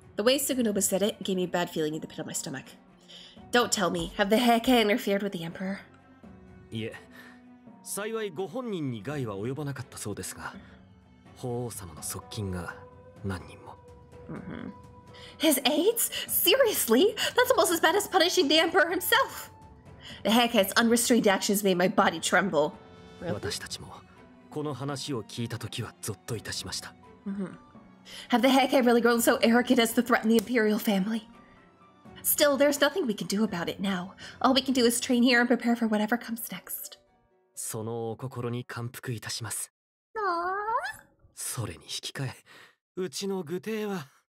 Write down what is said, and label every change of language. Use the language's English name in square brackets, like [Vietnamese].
[English] The way Suganobu said it gave me a bad feeling in the pit of my stomach. Don't tell me. Have the Heike interfered with the Emperor? [Japanese] いえ、幸いご本人に害は及ばなかったそうですが、法皇様の側近が何人も。 [English] Mm-hmm. His aides? Seriously? That's almost as bad as punishing the Emperor himself! The Heike's unrestrained actions made my body tremble. Really? [Japanese] 私たちもこの話を聞いたときはゾッといたしました。 [English] Mm-hmm. Have the Heike really grown so arrogant as to threaten the Imperial family? Still, there's nothing we can do about it now. All we can do is train here and prepare for whatever comes next. [Japanese] そのお心に感服いたします。それに引き換え、うちの愚弟は。